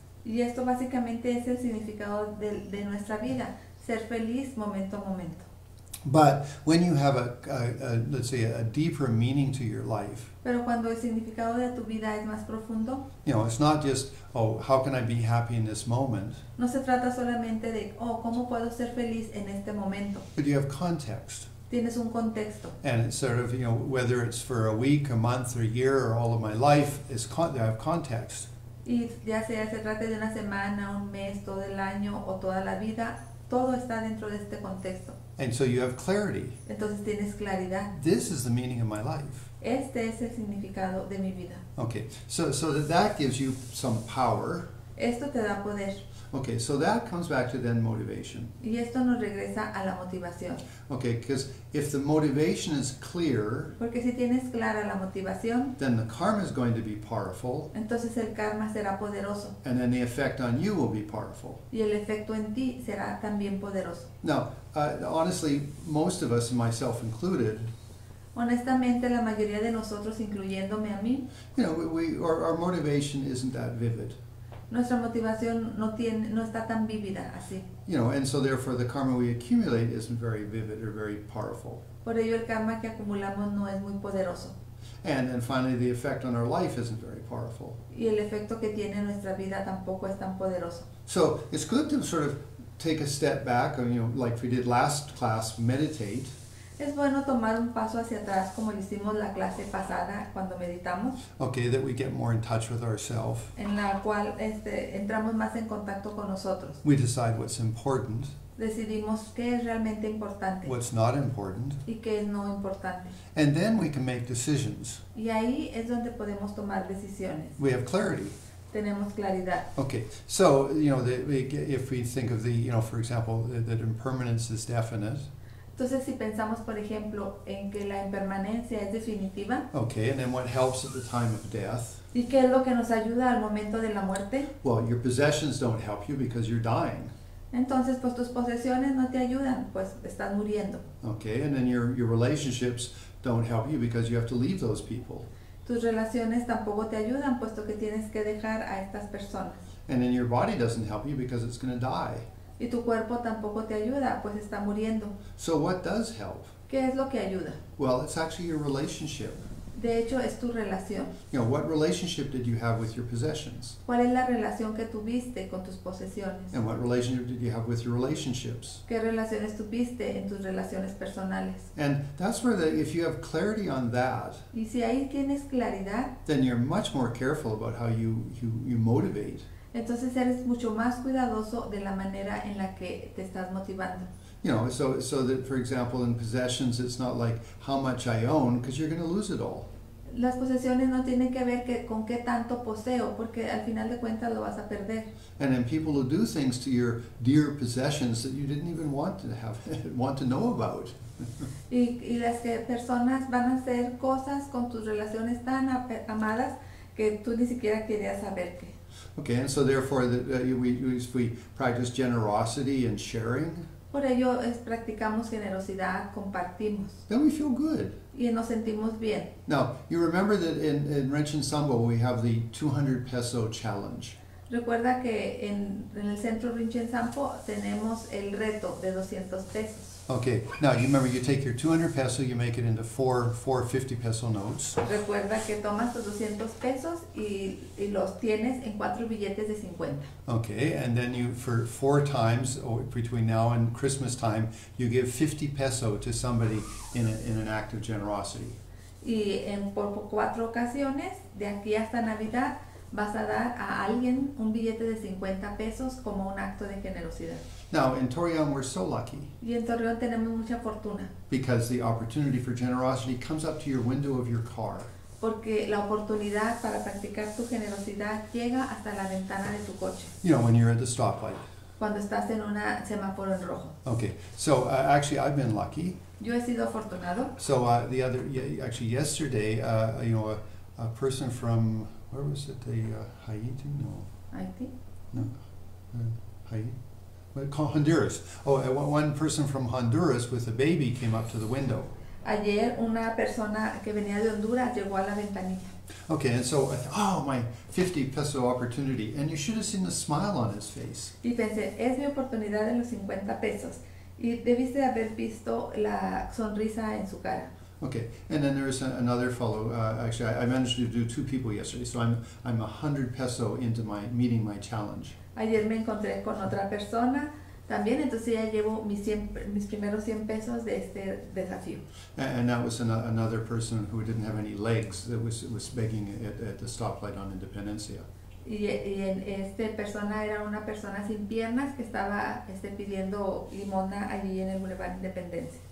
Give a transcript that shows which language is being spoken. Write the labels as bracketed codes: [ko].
[es] Y esto básicamente es el significado de nuestra vida, ser feliz momento a momento. [en] But when you have a deeper meaning to your life, [es] pero cuando el significado de tu vida es más profundo, [en] you know, it's not just, oh, how can I be happy in this moment? [es] No se trata solamente de, oh, ¿cómo puedo ser feliz en este momento? [en] But you have context. [es] Tienes un contexto. [en] And it's sort of, you know, whether it's for a week, a month, or a year, or all of my life, I have context. [es] Y ya sea se trate de una semana, un mes, todo el año, o toda la vida, todo está dentro de este contexto. [en] And so you have clarity. [es] Entonces tienes claridad. [en] This is the meaning of my life. [es] Este es el significado de mi vida. [en] Okay, so that gives you some power. [es] Esto te da poder. [en] Okay, so that comes back to then motivation. [es] Y esto nos regresa a la motivación. [en] Okay, because if the motivation is clear, [es] porque si tienes clara la motivación, [en] then the karma is going to be powerful. [es] Entonces el karma será poderoso. [en] And then the effect on you will be powerful. [es] Y el efecto en ti será también poderoso. [en] Now, honestly, most of us, myself included, [es] honestamente, la mayoría de nosotros, incluyéndome a mí, [en] you know, our motivation isn't that vivid. [es] Nuestra motivación no tiene, no está tan vívida así. [en] You know, and so therefore the karma we accumulate isn't very vivid or very powerful. [es] Por ello el karma que acumulamos no es muy poderoso. [en] And finally the effect on our life isn't very powerful. [es] Y el efecto que tiene en nuestra vida tampoco es tan poderoso. [en] So it's good to sort of take a step back, or, you know, like we did last class, meditate. [es] Es bueno tomar un paso hacia atrás como lo hicimos la clase pasada cuando meditamos. [en] Okay, that we get more in touch with ourselves. [es] En la cual entramos más en contacto con nosotros. [en] We decide what's important. [es] Decidimos qué es realmente importante. [en] What's not important. [es] Y qué es no importante. [en] And then we can make decisions. [es] Y ahí es donde podemos tomar decisiones. [en] We have clarity. [es] Tenemos claridad. [en] Okay, so you know, if we think of the, you know, for example, that impermanence is definite. [es] Entonces, si pensamos, por ejemplo, en que la impermanencia es definitiva. [en] Okay, and then what helps at the time of death? [es] ¿Y qué es lo que nos ayuda al momento de la muerte? [en] Well, your possessions don't help you because you're dying. [es] Entonces, pues tus posesiones no te ayudan, pues estás muriendo. [en] Okay, and then your relationships don't help you because you have to leave those people. [es] Tus relaciones tampoco te ayudan, puesto que tienes que dejar a estas personas. [en] And then your body doesn't help you because it's going to die. [es] Y tu cuerpo tampoco te ayuda, pues está muriendo. [en] So what does help? [es] ¿Qué es lo que ayuda? [en] Well, it's actually your relationship. [es] De hecho, es tu relación. [en] You know, what relationship did you have with your possessions? [es] ¿Cuál es la relación que tuviste con tus posesiones? [en] And what relationship did you have with your relationships? [es] ¿Qué relaciones tuviste en tus relaciones personales? [en] And that's where if you have clarity on that, [es] y si ahí tienes claridad, [en] then you're much more careful about how you motivate. [es] Entonces eres mucho más cuidadoso de la manera en la que te estás motivando. [en] You know, so that, for example, in possessions, it's not like how much I own, because you're going to lose it all. [es] Las posesiones no tienen que ver con qué tanto poseo, porque al final de cuentas lo vas a perder. [en] And then people will do things to your dear possessions that you didn't even want to know about. [es] Y las que personas van a hacer cosas con tus relaciones tan amadas que tú ni siquiera querías saber qué. [en] Okay, and so therefore, we practice generosity and sharing. [es] Por ello, practicamos generosidad, compartimos. [en] Then we feel good. [es] Y nos sentimos bien. [en] Now, you remember that in Rinchen Sambo, we have the 200 peso challenge. [es] Recuerda que en el centro Rinchen Sambo tenemos el reto de 200 pesos. [en] Okay, now you remember you take your 200 peso, you make it into four 50 peso notes. [es] Recuerda que tomas tus 200 pesos y los tienes en cuatro billetes de 50. [en] Okay, and then you, for four times, between now and Christmas time, you give 50 peso to somebody in an act of generosity. [es] Y en por cuatro ocasiones, de aquí hasta Navidad, vas a dar a alguien un billete de 50 pesos como un acto de generosidad. [en] Now, in Torreón, we're so lucky. [es] Y en Torreón tenemos mucha fortuna. [en] Because the opportunity for generosity comes up to your window of your car. [es] Porque la oportunidad para practicar tu generosidad llega hasta la ventana de tu coche. [en] You know, when you're at the stoplight. [es] Cuando estás en una semáforo en rojo. [en] Okay, so actually, I've been lucky. [es] Yo he sido afortunado. [en] So yesterday, a person from, where was it, Haiti? [es] No. Haiti? No. Haiti? Honduras. [en] Oh, one person from Honduras with a baby came up to the window. [es] Ayer, una persona que venía de Honduras llegó a la ventanilla. [en] Okay, and so, my 50 peso opportunity. And you should have seen the smile on his face. [es] Y pensé, es mi oportunidad de los 50 pesos. Y debiste haber visto la sonrisa en su cara. [en] Okay, and then there's another fellow. Actually, I managed to do two people yesterday, so I'm 100 peso into my meeting my challenge. [es] Ayer me encontré con otra persona también, entonces ya llevo mis primeros 100 pesos de este desafío. [en] And that was another person who didn't have any legs that was begging at the stoplight on Independencia. [es] Y esta persona era una persona sin piernas que estaba pidiendo limosna allí en el Boulevard Independencia.